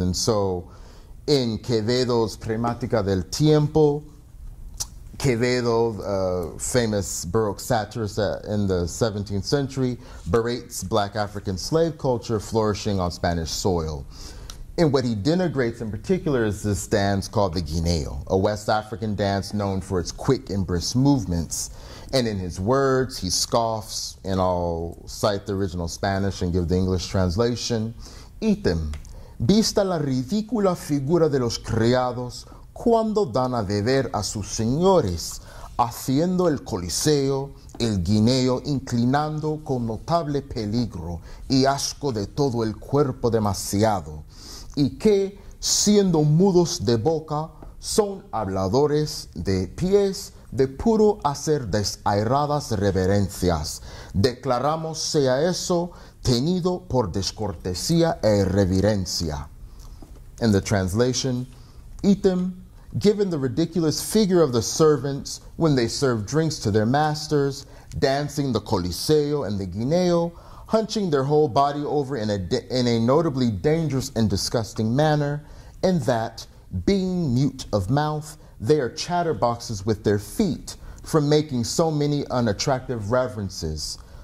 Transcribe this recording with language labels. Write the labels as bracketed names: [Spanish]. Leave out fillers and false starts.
[English] And so in Quevedo's Premática del Tiempo, Quevedo, a famous Baroque satirist in the 17th century, berates black African slave culture flourishing on Spanish soil. And what he denigrates in particular is this dance called the Guineo, a West African dance known for its quick and brisk movements. And in his words, he scoffs, and I'll cite the original Spanish and give the English translation, "Eat them. [Spanish] Vista la ridícula figura de los criados cuando dan a beber a sus señores, haciendo el coliseo, el guineo, inclinando con notable peligro y asco de todo el cuerpo demasiado, y que, siendo mudos de boca, son habladores de pies de puro hacer desairadas reverencias. Declaramos sea eso tenido por descortesía e irreverencia." [English] In the translation, "Eat them, given the ridiculous figure of the servants when they serve drinks to their masters, dancing the coliseo and the guineo, hunching their whole body over in a notably dangerous and disgusting manner, and that, being mute of mouth, they are chatterboxes with their feet from making so many unattractive reverences.